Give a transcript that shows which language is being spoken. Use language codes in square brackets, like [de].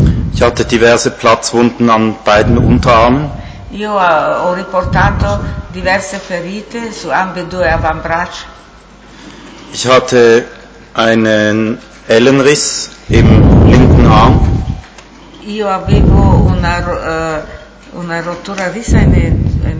[de] Ich hatte diverse Platzwunden an beiden Unterarmen. [it] Io ho riportato diverse ferite su ambedue avambraccia. [de] Ich hatte einen Ellenriss im linken Arm. [it] Io avevo una rottura rissa in